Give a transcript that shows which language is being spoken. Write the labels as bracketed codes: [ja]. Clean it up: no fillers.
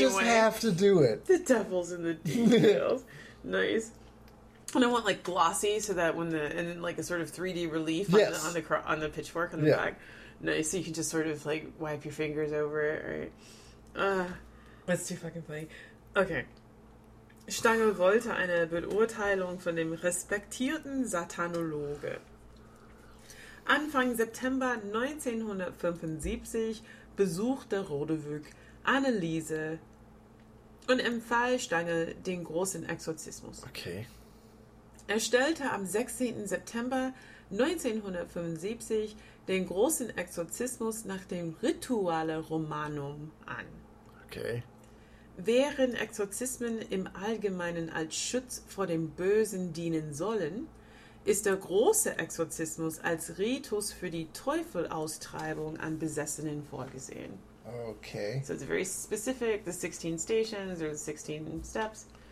[en] Just have to do it. The devil's in the details. Nice. And I want like glossy so that when the and like a sort of 3D relief on the pitchfork on the back. Nice. So you can just sort of like wipe your fingers over it, right? That's too fucking funny. Okay. [de] Stangl wollte eine Beurteilung von dem respektierten Satanologe. Anfang September 1975 besuchte Rodewyk Anneliese und empfahl Stangl den großen Exorzismus. [en] Okay. [de] Er stellte am 16. September 1975 den großen Exorzismus nach dem Rituale Romanum an. [en] Okay. [de] Während Exorzismen im Allgemeinen als Schutz vor dem Bösen dienen sollen, ist der große Exorzismus als Ritus für die Teufelaustreibung an Besessenen vorgesehen. [en] Okay. So it's very specific, the 16 stations or the 16 steps.